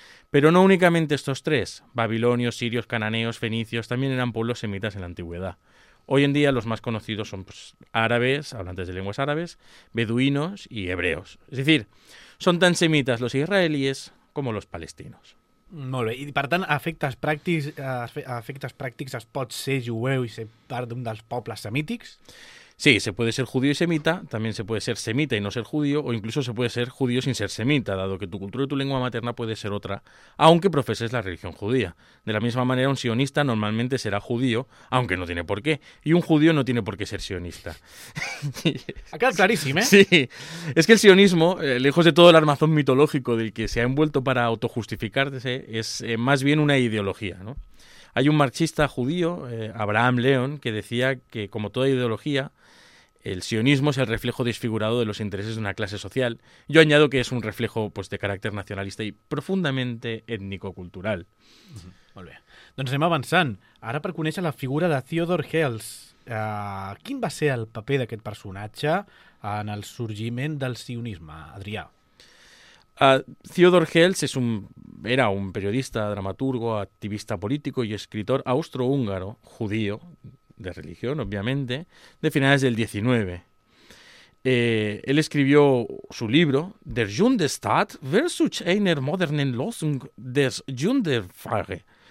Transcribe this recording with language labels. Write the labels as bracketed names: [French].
[Spanish] Pero no únicamente estos tres, babilonios, sirios, cananeos, fenicios, también eran pueblos semitas en la antigüedad. Hoy en día los más conocidos son pues, árabes, hablantes de lenguas árabes, beduinos y hebreos. Es decir, son tan semitas los israelíes como los palestinos. [Catalan] Molt bé, i per tant, a efectes pràctics es pot ser jueu i ser part d'un dels pobles semítics? [Spanish] Sí, se puede ser judío y semita, también se puede ser semita y no ser judío, o incluso se puede ser judío sin ser semita, dado que tu cultura y tu lengua materna puede ser otra, aunque profeses la religión judía. De la misma manera, un sionista normalmente será judío, aunque no tiene por qué, y un judío no tiene por qué ser sionista. Ha quedado clarísimo, ¿eh? Sí, es que el sionismo, lejos de todo el armazón mitológico del que se ha envuelto para autojustificarse, es más bien una ideología, ¿no? Hay un marxista judío, Abraham León, que decía que, como toda ideología, el sionismo es el reflejo desfigurado de los intereses de una clase social. Yo añado que es un reflejo pues, de carácter nacionalista y profundamente étnico-cultural. [Catalan] Mm-hmm. Molt bé. Doncs anem avançant. Ara, per conèixer la figura de Theodor Herzl, quin va ser el paper d'aquest personatge en el sorgiment del sionisme, Adrià? [Spanish] Theodor Herzl era un periodista, dramaturgo, activista político y escritor austrohúngaro, judío, de religión, obviamente, de finales del 19. Él escribió su libro, Der Judenstaat versus einer modernen Lösung des Judenfrage.